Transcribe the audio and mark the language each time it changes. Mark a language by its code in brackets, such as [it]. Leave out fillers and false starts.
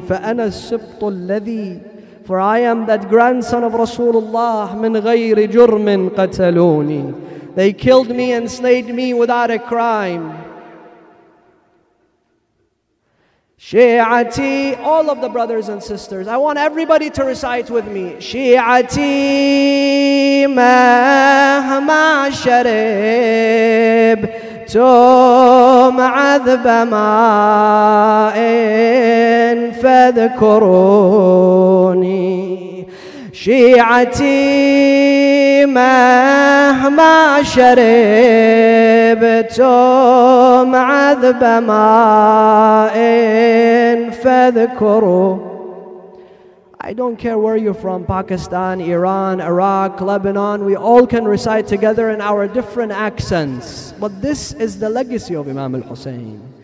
[ar] فَأَنَا السِّبْطُ الَّذِي. [en] For I am that grandson of Rasulullah. [ar] مِنْ غَيْرِ جُرْمٍ قَتَلُونِ. [en] They killed me and slayed me without a crime. [ar] شِعَتِي. [en] All of the brothers and sisters, I want everybody to recite with me. [ar] شِعَتِي مَهْمَا شَرِبْ توم عذب ماء فاذكروني شيعتي مهما شرب توم عذب ماء فاذكروني. [en] I don't care where you're from, Pakistan, Iran, Iraq, Lebanon, we all can recite together in our different accents. But this is the legacy of Imam al-Hussein.